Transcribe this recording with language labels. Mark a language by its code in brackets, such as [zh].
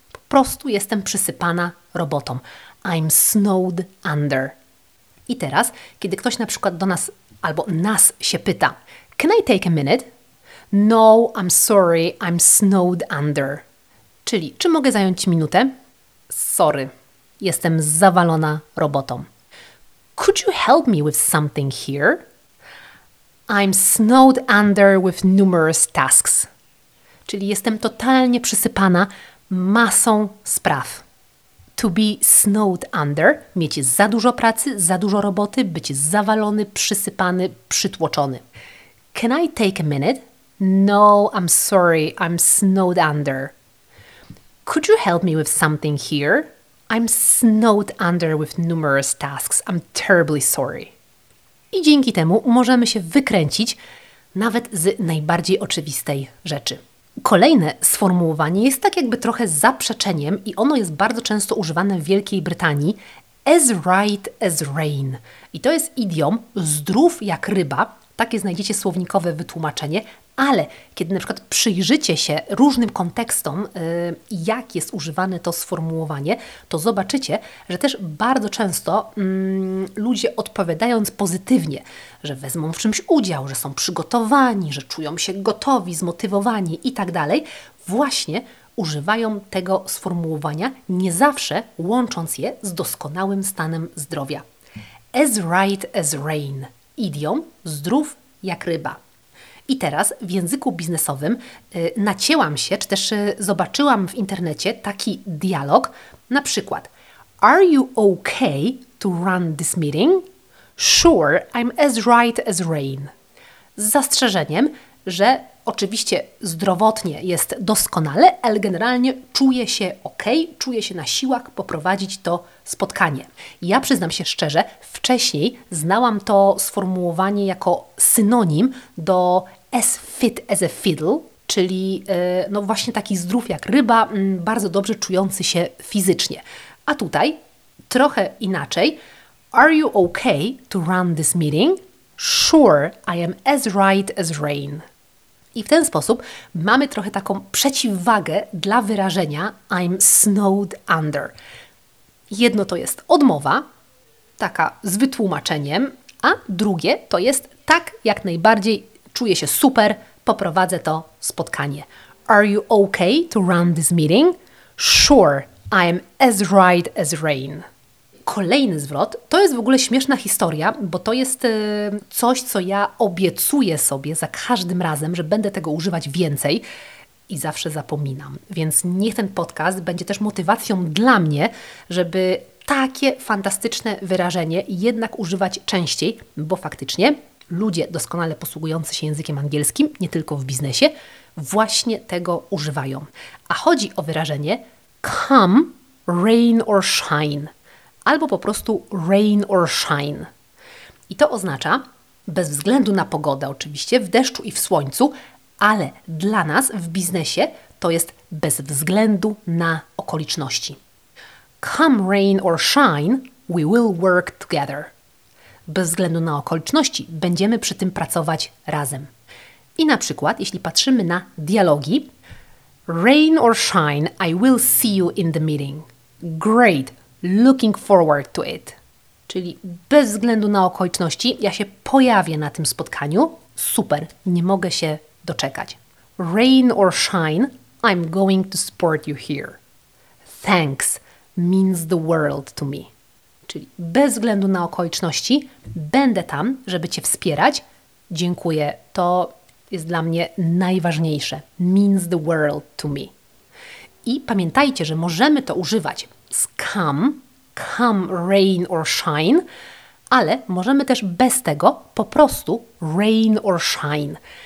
[pl] Po prostu jestem przysypana robotą. [en] I'm snowed under. [pl] I teraz, kiedy ktoś na przykład do nas albo nas się pyta, [en] can I take a minute? No, I'm sorry, I'm snowed under. [pl] Czyli, czy mogę zająć minutę? [en] Sorry, [pl] Jestem zawalona robotą. [en] Could you help me with something here? I'm snowed under with numerous tasks. [pl] Czyli jestem totalnie przysypana masą spraw. [en] To be snowed under, [pl] mieć za dużo pracy, za dużo roboty, być zawalony, przysypany, przytłoczony. [en] Can I take a minute? No, I'm sorry, I'm snowed under. Could you help me with something here? I'm snowed under with numerous tasks, I'm terribly sorry. [pl] I dzięki temu możemy się wykręcić nawet z najbardziej oczywistej rzeczy. Kolejne sformułowanie jest tak jakby trochę zaprzeczeniem i ono jest bardzo często używane w Wielkiej Brytanii. [en] As right as rain. [pl] I to jest idiom zdrów jak ryba. Takie znajdziecie słownikowe wytłumaczenie. Ale kiedy na przykład przyjrzycie się różnym kontekstom, jak jest używane to sformułowanie, to zobaczycie, że też bardzo często ludzie odpowiadając pozytywnie, że wezmą w czymś udział, że są przygotowani, że czują się gotowi, zmotywowani i tak dalej, właśnie używają tego sformułowania, nie zawsze łącząc je z doskonałym stanem zdrowia. [en] As right as rain. [pl] Idiom zdrów jak ryba. I teraz w języku biznesowym nacięłam się, czy też zobaczyłam w internecie taki dialog, na przykład [en] Are you okay to run this meeting? Sure, I'm as right as rain. [pl] Z zastrzeżeniem, że oczywiście zdrowotnie jest doskonale, ale generalnie czuję się okej, czuję się na siłach poprowadzić to spotkanie. Ja przyznam się szczerze, wcześniej znałam to sformułowanie jako synonim do as fit as a fiddle, czyli no właśnie taki zdrów jak ryba, bardzo dobrze czujący się fizycznie. A tutaj trochę inaczej. [en] Are you okay to run this meeting? Sure, I am as right as rain. [pl] I w ten sposób mamy trochę taką przeciwwagę dla wyrażenia I'm snowed under. Jedno to jest odmowa, taka z wytłumaczeniem, a drugie to jest tak jak najbardziej czuję się super, poprowadzę to spotkanie. [en] Are you okay to run this meeting? Sure, I am as right as rain. [pl] Kolejny zwrot, to jest w ogóle śmieszna historia, bo to jest coś, co ja obiecuję sobie za każdym razem, że będę tego używać więcej i zawsze zapominam. Więc niech ten podcast będzie też motywacją dla mnie, żeby takie fantastyczne wyrażenie jednak używać częściej, bo faktycznie ludzie doskonale posługujący się językiem angielskim, nie tylko w biznesie, właśnie tego używają. A chodzi o wyrażenie come, rain or shine. Albo po prostu rain or shine. I to oznacza, bez względu na pogodę oczywiście, w deszczu i w słońcu, ale dla nas w biznesie to jest bez względu na okoliczności. [en] Come rain or shine, we will work together. [pl] Bez względu na okoliczności, będziemy przy tym pracować razem. I na przykład, jeśli patrzymy na dialogi, [en] rain or shine, I will see you in the meeting. Great. Looking forward to it. [pl] Czyli bez względu na okoliczności, ja się pojawię na tym spotkaniu. Super, nie mogę się doczekać. [en] Rain or shine, I'm going to support you here. Thanks, means the world to me. [pl] Czyli bez względu na okoliczności, będę tam, żeby Cię wspierać. Dziękuję, to jest dla mnie najważniejsze. [en] Means the world to me. [pl] I pamiętajcie, że możemy to używać z come, rain or shine, ale możemy też bez tego po prostu rain or shine.